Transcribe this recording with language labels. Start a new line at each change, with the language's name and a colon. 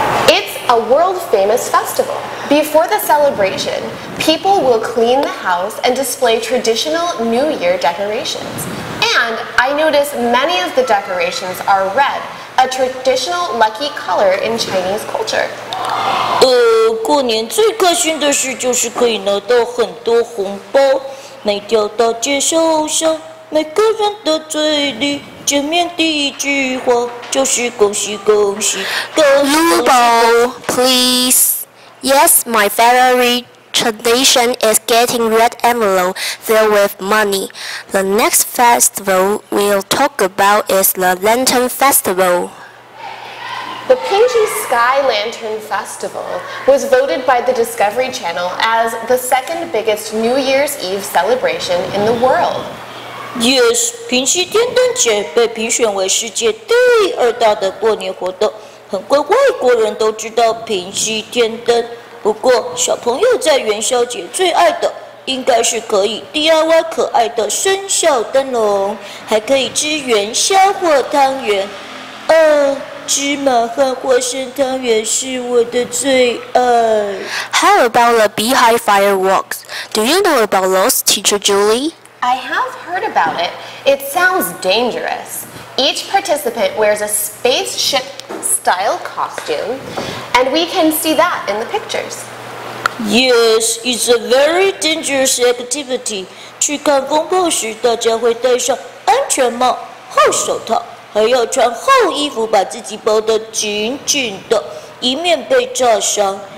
English: It's a world-famous festival. Before the celebration, people will clean the house and display traditional New Year decorations. And I notice many of the decorations are red, a traditional lucky color in Chinese culture.
Chinese: 过年最开心的事就是可以拿到很多红包，每条大街小巷，每个人的嘴里，见面第一句话就是恭喜恭喜。
English: Lubo, please. Yes, my favorite tradition is getting red envelope filled with money. The next festival we'll talk about is the Lantern Festival. The Pingxi Sky Lantern Festival was voted by the Discovery Channel as the second biggest New Year's Eve celebration in the world.
Chinese: Yes, 平息天灯节被评选为世界第二大的过年活动。很怪外国人都知道平息天灯。不过小朋友在元宵节最爱的应该是可以 DIY 可爱的生肖灯笼，还可以吃元宵或汤圆。芝麻和花生汤圆是我的最爱。
English: How about the beehive fireworks? Do you know about those, Teacher Julie? I have heard about it. It sounds dangerous. Each participant wears a spaceship-style costume, and we can see that in the pictures. Yes, it's a very dangerous activity.
Chinese: 去看风暴时，大家会戴上安全帽、厚手套。还要穿厚衣服把自己包得紧紧的，以免被炸伤。